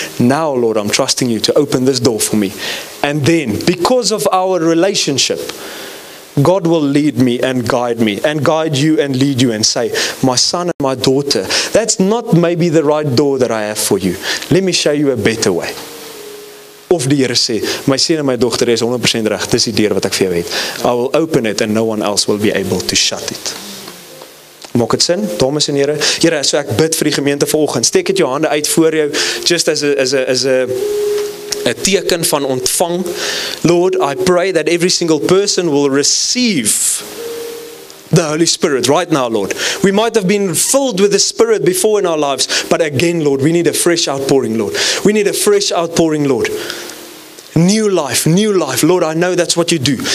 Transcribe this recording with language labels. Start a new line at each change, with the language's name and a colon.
English: Now, Lord, I'm trusting you to open this door for me. And then, because of our relationship, God will lead me and guide me and guide you and lead you and say, my son and my daughter, that's not maybe the right door that I have for you. Let me show you a better way.
Afrikaans: Of die Here sê, my seun en my dogter is 100% reg, dis die deur wat ek vir jou het.
English: I will open it and no one else will be able to shut it.
Afrikaans: Maak het sin, dames en heren. Here, so ek bid vir die gemeente vanoggend. Steek het jou hande uit voor jou,
English: just as a
Afrikaans: teken van ontvang.
English: Lord, I pray that every single person will receive the Holy Spirit right now, Lord. We might have been filled with the Spirit before in our lives, but again, Lord, we need a fresh outpouring, Lord. We need a fresh outpouring, Lord. New life, Lord, I know that's what you do.